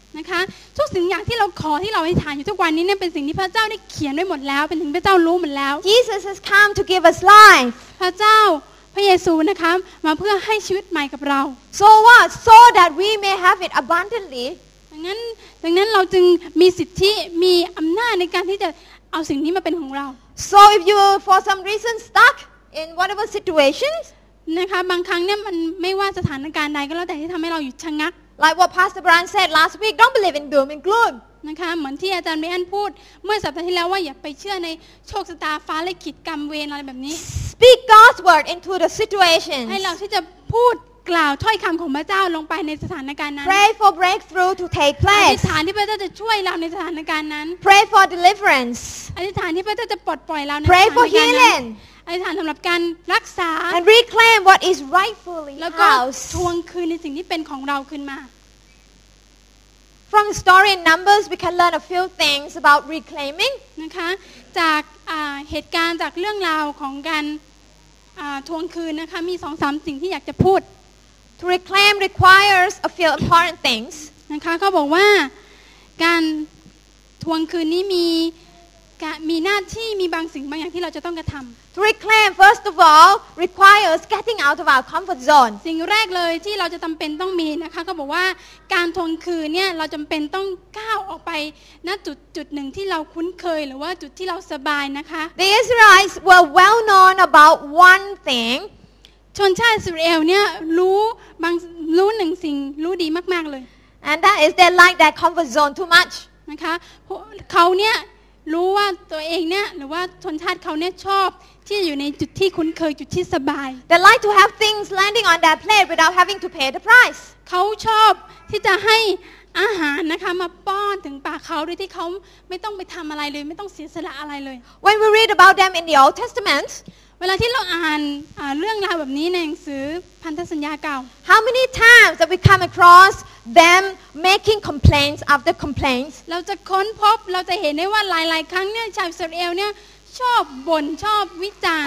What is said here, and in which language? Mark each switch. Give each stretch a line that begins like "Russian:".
Thai: นะคะทุกสิ่งอย่างที่เราขอที่เราอธิษฐานอยู่ทุกวันนี้เนี่ยเป็นสิ่งที่พระเจ้าได้เขียนไว้หมดแล้วเป็นสิ่งพระเจ้ารู้หมดแล้ว
English: Jesus has come to give us life
Thai: พระเจ้าพระเยซูนะคะมาเพื่อให้ชีวิตใหม่กับเรา
English: so what so that we may have it abundantly
Thai: ดั ดังนั้นเราจึงมีสิทธิมีอำนาจในการที่จะเอาสิ่งนี้มาเป็นของเรา
English: So if you for some reason stuck in whatever situations
Thai: นะคะบางครั้งเนี่ยมันไม่ว่าสถานการณ์ใดก็แล้วแต่ที่ทำให้เราหยุดชะงัก
English: Like what Pastor Brian said last week don't believe in doom and gloom
Thai: นะคะเหมือนที่อาจารย์เมย์แอนพูดเมื่อสัปดาห์ที่แล้วว่าอย่าไปเชื่อในโชคชะตาฟ้าลิขิตกรรมเวรอะไรแบบนี้
English: Speak God's word into the situation
Thai: ให้เราที่จะพูดกล่าวถ้อยคำของพระเจ้าลงไปในสถานการณ์นั้น
English: Pray for breakthrough to take place
Thai: อธิษฐานที่พระเจ้าจะช่วยเราในสถานการณ์นั้น
English: Pray for deliverance
Thai: อธิษฐานที่พระเจ้าจะปลดปล่อยเรา
English: Pray for healing
Thai: อธิษฐานสำหรับการรักษา
English: And reclaim what is rightfully ours
Thai: แล้วก็ทวงคืนในสิ่งที่เป็นของเราขึ้นมา
English: From the story in Numbers we can learn a few things about reclaiming
Thai: นะคะจากเหตุการณ์จากเรื่องราวของการทวงคืนนะคะมี 2-3 สิ่งที่อยากจะพูด
English: To reclaim requires a few important things.
Thai: นะคะเขาบอกว่าการทวงคืนนี้มีหน้าที่มีบางสิ่งบางอย่างที่เราจะต้องกระทำ
English: To reclaim, first of all, requires getting out of our comfort zone.
Thai: สิ่งแรกเลยที่เราจะจำเป็นต้องมีนะคะเขาบอกว่าการทวงคืนเนี่ยเราจำเป็นต้องก้าวออกไปณจุดหนึ่งที่เราคุ้นเคยหรือว่าจุดที่เราสบายนะคะ
English: The Israelites were well known about one thing.
Thai: ชนชาติอิสราเอลเนี่ยรู้หนึ่งสิ่งรู้ดีมากๆเลย
English: and that is they like their comfort zone too much
Thai: นะคะเขาเนี่ยรู้ว่าตัวเองเนี่ยหรือว่าชนชาติเขาเนี่ยชอบที่อยู่ในจุดที่คุ้นเคยจุดที่สบาย
English: they like to have things landing on their plate without having to pay the price
Thai: เขาชอบที่จะให้อาหารนะคะมาป้อนถึงปากเขาโดยที่เขาไม่ต้องไปทำอะไรเลยไม่ต้องเสียสละอะไรเลย
English: when we read about them in the Old Testament
Thai: เวลาที่เราอ่านเรื่องราวแบบนี้ในหนังสือพันธสัญญาเก่า
English: How many times have we come across them making complaints after complaints
Thai: เราจะค้นพบเราจะเห็นได้ว่าหลายๆครั้งเนี่ยชาวอิสราเอลเนี่ยชอบบ่นชอบวิจารณ์